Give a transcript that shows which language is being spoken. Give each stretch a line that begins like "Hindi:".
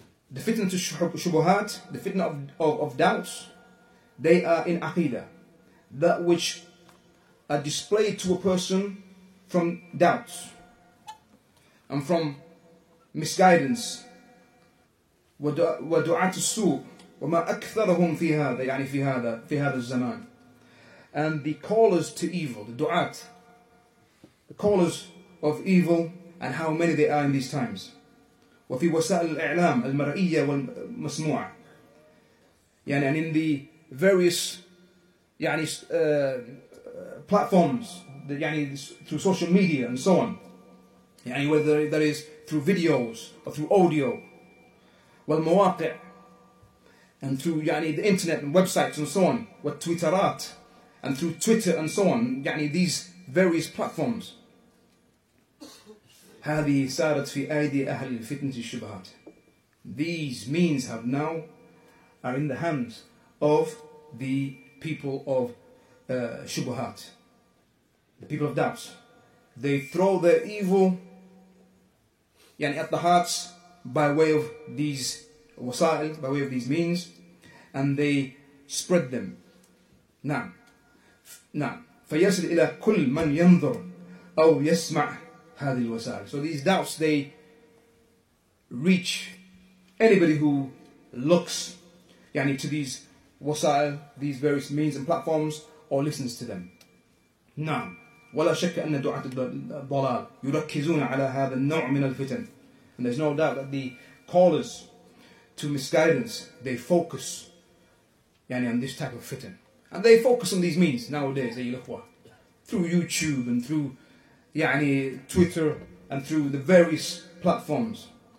English: The fitn to shubuhat, the fitn of doubts, they are in aqidah. That which are displayed to a person from doubts and from misguidance.
Arabic: ودعاة السوء وما أكثرهم في هذا يعني في هذا الزمان.
English: And the callers to evil, the du'at, the callers of evil, and how many they are in these times.
Arabic: وفي وسائل الإعلام المرئية والمسموعة, يعني,
English: and in the various يعني platforms, the, يعني through social media and so on, يعني whether that is through videos or through audio, والمواقع, and through يعني the internet and websites and so on, والتويترات, and through Twitter and so on, يعني these various platforms.
Arabic: هذه صارت في أيدي أهل الفتنة الشبهات.
English: These means have now are in the hands of the people of shubahat, the people of doubts. They throw their evil يعني at the hearts by way of these wasail, by way of these means, and they spread them. Now, now,
Arabic: فيصل إلى كل من ينظر أو يسمع هذه الوسائل.
English: So these doubts, they reach anybody who looks يعني to these wasail, these various means and platforms, or listens to them. Now,
Arabic: ولا شك أن دعاة الضلال يركزون على هذا النوع من الفتن.
English: And there's no doubt that the callers to misguidance, they focus yani on this type of fitan. And they focus on these means nowadays, ayyuhwa, through YouTube and through yani Twitter and through the various platforms.